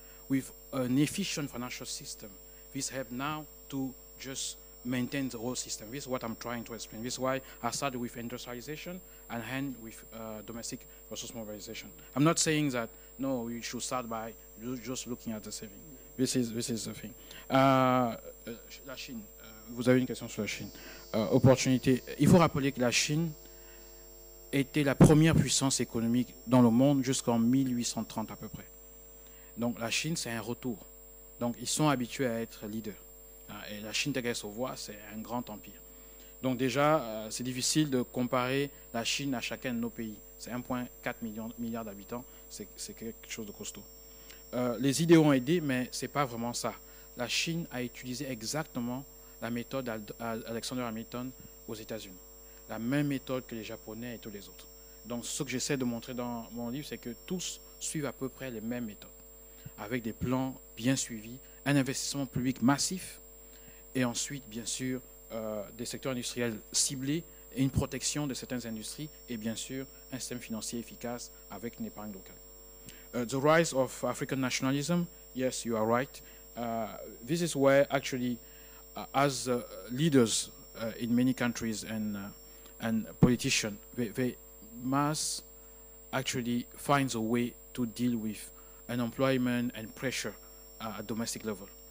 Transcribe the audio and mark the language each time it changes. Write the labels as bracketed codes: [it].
[en] With an efficient financial system, this helps now to just maintain the whole system. This is what I'm trying to explain. This is why I started with industrialization and end with domestic resource mobilization. I'm not saying that, no, we should start by just looking at the saving. This is the thing. [fr] La Chine, vous avez une question sur la Chine. Opportunité. Il faut rappeler que la Chine était la première puissance économique dans le monde jusqu'en 1830 à peu près. Donc la Chine, c'est un retour. Donc ils sont habitués à être leaders. Et la Chine, telle qu'elle se voit, c'est un grand empire. Donc déjà, c'est difficile de comparer la Chine à chacun de nos pays. C'est 1,4 milliard d'habitants. C'est quelque chose de costaud. Les idées ont aidé, mais ce n'est pas vraiment ça. La Chine a utilisé exactement la méthode d'Alexander Hamilton aux États-Unis. La même méthode que les Japonais et tous les autres. Donc ce que j'essaie de montrer dans mon livre, c'est que tous suivent à peu près les mêmes méthodes, avec des plans bien suivis, un investissement public massif, et ensuite, bien sûr, des secteurs industriels ciblés, et une protection de certaines industries, et bien sûr, un système financier efficace avec une épargne locale. [en] The rise of African nationalism, yes, you are right. This is where, actually, as leaders in many countries and politicians, they must actually find a way to deal with unemployment and pressure at domestic level.